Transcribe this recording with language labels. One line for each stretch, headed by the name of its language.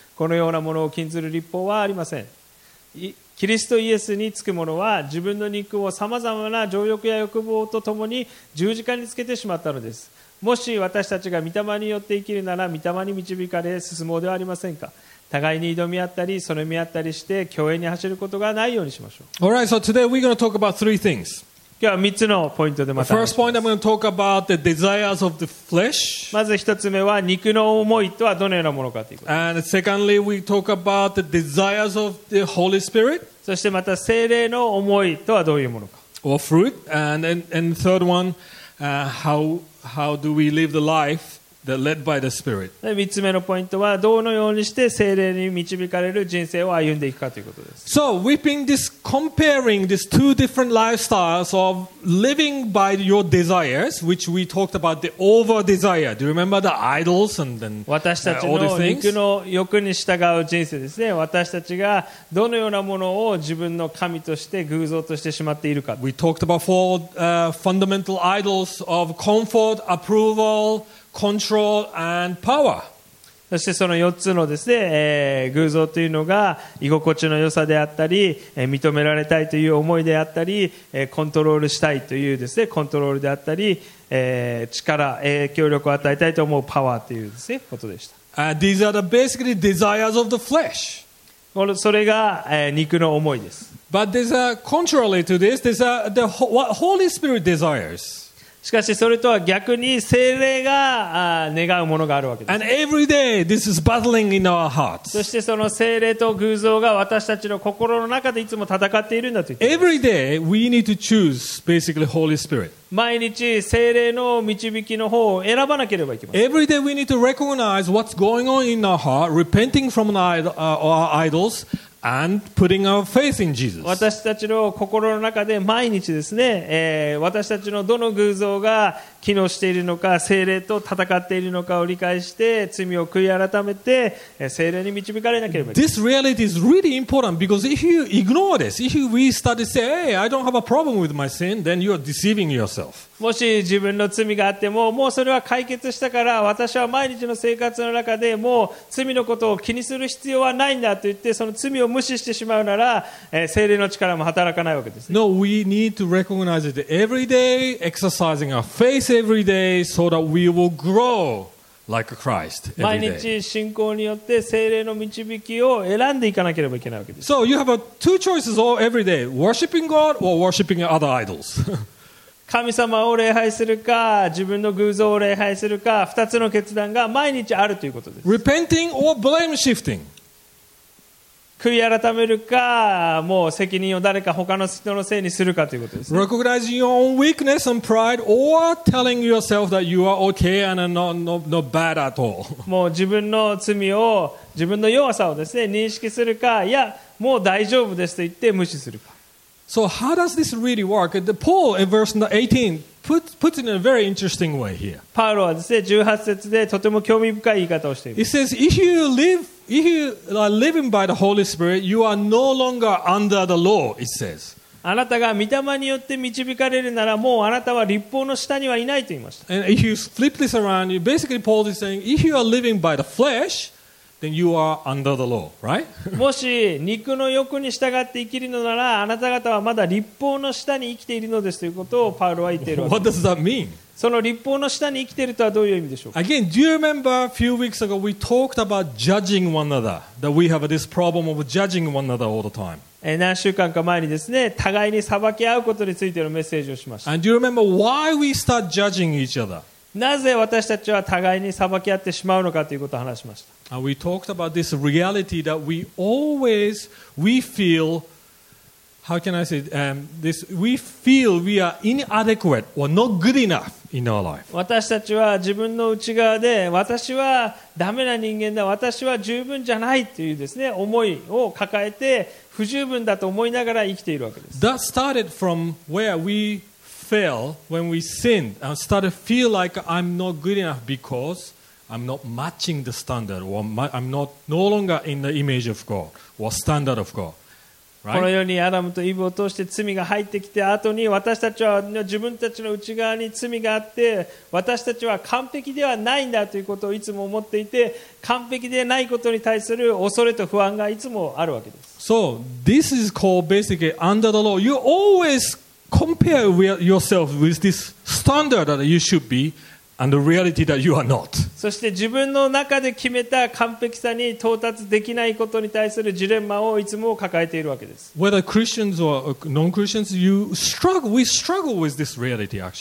Japanese: このようなものを禁ずる律法はありません。キリストイエスにつく者は自分の肉をさまざまな情欲や欲望とともに十字架につけてしまったのです。もし私たちが御霊によって生きるなら御霊に導かれ進もうではありませんか。互いに挑み合ったりそのみ合ったりして共栄に走ることがないようにしましょう。
English: All right, so today we're going to talk about three things.
Japanese: 今日は3つのポイントでまた話します。
English: First point, I'm going to talk about the desires of the flesh.
Japanese: まず1つ目は肉の思いとはどのようなものかということ。
English: And secondly, we talk about the desires of the Holy Spirit.
Japanese: そしてまた聖霊の思いとはどういうものか。
English: Or fruit. And the third one, how do we live the life? That led by the Spirit.
Japanese: 3つ目のポイントはどのようにして聖霊に導かれる人生を歩んでいくかということです。
English: So we've been comparing these two different lifestyles of living by your desires, which we talked about the over desire. Do you remember the idols and then all these things?
Japanese: 私たちの肉の欲に従う人生ですね。私たちがどのようなものを自分の神として偶像としてしまっているか。
English: We talked about four fundamental idols of comfort, approvalcontrol and power.
Japanese: そしてその4つのですね、偶像というのが居心地の良さであったり、認められたいという思いであったり、コントロールしたいというですね、コントロールであったり、力、影響力を与えたいと思うパワーというですね、ことでした。
English: These are the basically desires of the flesh.
Japanese: それが、肉の思いです。
English: But there's a contrary to this, there's a, the, what Holy Spirit desires.
Japanese: しかしそれとは逆に聖霊が願うものがあるわけです。
English: And every day this is battling in our hearts.
Japanese: そしてその聖霊と偶像が私たちの心の中でいつも戦っているんだと言っています。
English: Every day we need to choose basically Holy Spirit.
Japanese: 毎日聖霊の導きの方を選ばなければいけません。
English: Every day we need to recognize what's going on in our heart, repenting from our idols. And putting our faith in Jesus.
Japanese: 私たちの心の中で毎日ですね、私たちのどの偶像が機能しているのか、聖霊と戦っているのかを理解して、罪を悔い改めて、聖霊に導かれなければ。
English: This reality is really important because if you ignore this, if we start to say, "Hey, I don't have a problem with my sin," then you are deceiving yourself.
Japanese: もし自分の罪があっても、もうそれは解決したから、私は毎日の生活の中でもう罪のことを気にする必要はないんだと言って、その罪を無視してしまうなら、聖霊の力も働かないわけです、ね。
English: No, we need to recognize it every day, exercising our faith. Every day, so that we will grow like Christ. Every day.
Japanese: 毎日信仰によって聖霊の導きを選んでいかなければいけないわけです。
English: So you have two choices all every day: worshiping God or worshiping other idols.
Japanese: 神様を礼拝するか、自分の偶像を礼拝するか、二つの決断が毎日あるということです。
English: Repenting or blame shifting.
Japanese: 悔い改めるか、もう責任を誰か他の人のせいにするかということです、ね。
English: Recognizing your own weakness and pride, or telling yourself that you are okay and not bad at all.
Japanese: もう自分の罪を、自分の弱さをですね、認識するか、いや、もう大丈夫ですと言って無視するか。
English: So how does this really work? Paul in verse 18 puts it in a very interesting way here.
Japanese: パウロはですね、18節でとても興味深い言い方をしています。
English: He says, if you are living by the Holy Spirit, you are no longer under the law, it says.
Japanese: あなたが御霊によって導かれるなら、もうあなたは律法の下にはいないと言いました。
English: And if you flip this around, basically Paul is saying, if you are living by the flesh,Then you are under the law, right?
Japanese: もし肉の欲に従って生きるのなら、あなた方はまだ律法の下に生きているのですということをパウロは言っているわけです。
English: What does that mean?
Japanese: その律法の下に生きているとはどういう意味でしょうか?
English: Again, do you remember a few weeks ago we talked about judging one another? That we have this problem of judging one another all the time.
Japanese: 何週間か前にですね、互いに裁き合うことについてのメッセージをしました。
English: And do you remember why we start judging each other?
Japanese: なぜ私たちは互いに裁き合ってしまうのかということを話しました。
English: We talked about this reality that we always, we feel, how can I say, this, we feel we are inadequate or not good enough in our life.
Japanese: 私たちは自分の内側で、私はダメな人間だ、私は十分じゃないというですね、思いを抱えて、不十分だと思いながら生きているわけです。
English: That started from where we... fail when we sinned and started to feel like I'm not good enough because I'm not matching the standard or I'm not no longer in the image of God or standard of God.
Japanese: このようにアダムとイブを通して罪が入ってきて後に私たちは自分たちの内側に罪があって私たちは完璧ではないんだということをいつも思っていて完璧でないことに対する恐れと不安がいつもあるわけです。
English: So this is called basically under the law. You alwayscompare yourself with this standard that you should be and the reality that you are not.
Japanese: そして自分の中で決めた完璧さに到達できないことに対するジレンマをいつも抱えているわけです。
English: Whether Christians or non-Christians, we struggle with this reality actually.